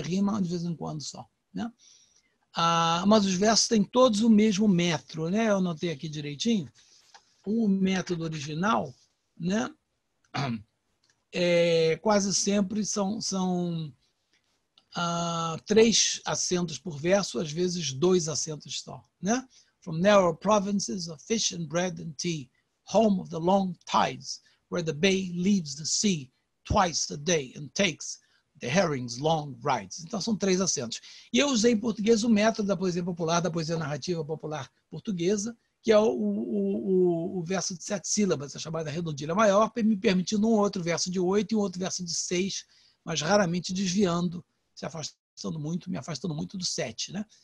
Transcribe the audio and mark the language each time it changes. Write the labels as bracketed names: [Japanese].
[Portuguese] Rima de vez em quando só, né? Mas os versos têm todos o mesmo metro, né? Eu anotei aqui direitinho. O método original, né? Quase sempre são três acentos por verso, às vezes dois acentos só, né? [English] From narrow provinces of fish and bread and tea, home of the long tides, where the bay leaves the sea twice a day and takes the herring's long rides. [Portuguese] Então são três acentos. E eu usei em português o método da poesia popular, da poesia narrativa popular portuguesa, que é o verso de sete sílabas, a chamada redondilha maior, me permitindo um outro verso de oito e um outro verso de seis, mas raramente desviando, se afastando muito, me afastando muito do sete, né?